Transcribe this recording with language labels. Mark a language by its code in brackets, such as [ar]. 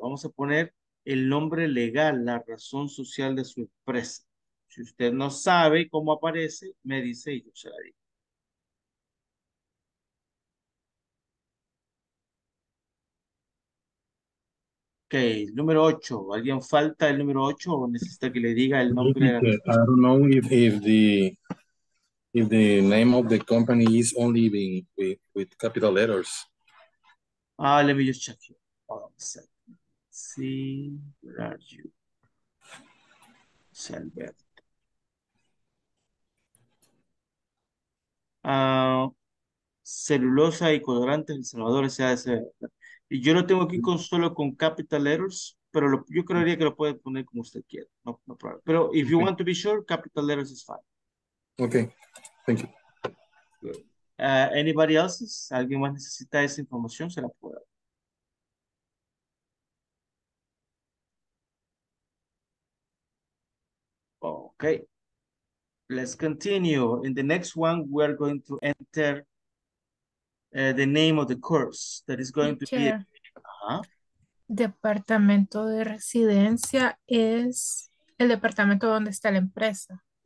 [es] Vamos a poner el nombre legal, la razón social de su empresa. Si usted no sabe cómo aparece, me dice y yo se la digo. Ok, número 8. ¿Alguien falta el número 8 o necesita que le diga el nombre? [en] I don't know if the name of the company is only with capital letters. Ah, let me just check you. Hold on a second. See, where are you? Salvador. [es] Celulosa y colorante en Salvador, sea de ser. Y yo lo tengo aquí con solo con capital letters, pero yo creería que lo puede poner como usted quiera. [en] No, no problem. [es] Pero [en] if you want to be sure, capital letters is fine. Okay, thank you. Anybody else? [es] ¿Alguien más necesita esa información? Se la puedo dar. [en] Okay. Let's continue. In the next one, we are going to enter the name of the course that is going to be... [es] Departamento de residencia es el departamento donde está la empresa.